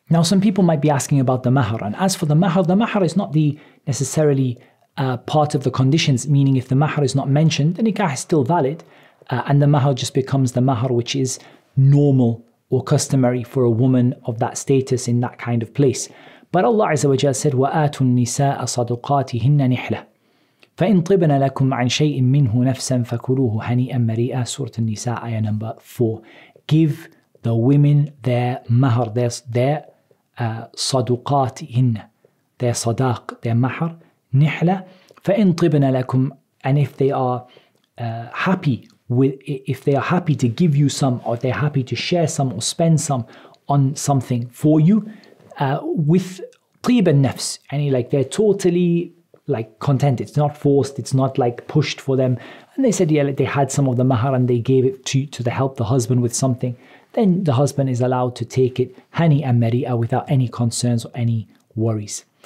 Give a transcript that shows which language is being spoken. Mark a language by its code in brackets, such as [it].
[en] Now, some people might be asking about the mahar. And as for the mahar is not necessarily part of the conditions, meaning if the mahar is not mentioned, the nikah is still valid. And the mahar just becomes the mahar, which is normal or customary for a woman of that status in that kind of place. But Allah Azza wa Jalla said, [ar] وَآتُوا النِّسَاءَ صَدُقَاتِهِنَّ نِحْلَةً فَإِنْ طِبْنَ لَكُمْ عَنْ شَيْءٍ مِّنْهُ نَفْسًا فَكُلُوهُ هَنِيئًا مَرِيئًا. [en] Surah An-Nisa, ayah number 4. Give the women their mahr, their صدقاتهن, their صداق, their mahr, [ar] نِحْلَةً فَإِنْ طِبْنَ لَكُمْ. [en] And if they are happy with, if they are happy to give you some, or they're happy to share some or spend some on something for you, with [ar] طيب النفس, [en] any, like, they're totally like content, it's not forced, it's not like pushed for them, and they said, yeah, like, they had some of the mahar and they gave it to the help the husband with something, then the husband is allowed to take it hani and mari'a without any concerns or any worries.